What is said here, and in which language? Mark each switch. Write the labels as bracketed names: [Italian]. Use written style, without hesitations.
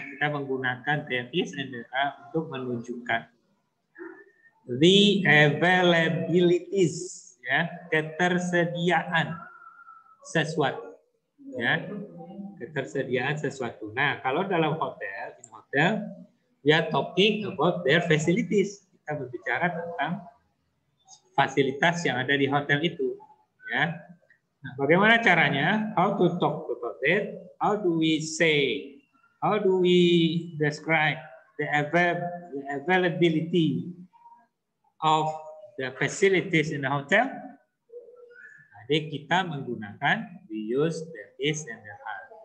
[Indonesian] Kita menggunakan [English] there is and there are [Indonesian] untuk menunjukkan [English] the availabilities, [Indonesian] ya, ketersediaan sesuatu, ya, ketersediaan sesuatu. Nah, kalau dalam hotel, [English] in hotel, we are talking about their facilities. [Indonesian] kita berbicara tentang fasilitas yang ada di hotel itu, ya. Nah, bagaimana caranya? [English] How to talk about it? How do we say? How do we describe the availability of the facilities in the hotel? [Indonesian] Jadi kita menggunakan [English] we use there is and there are.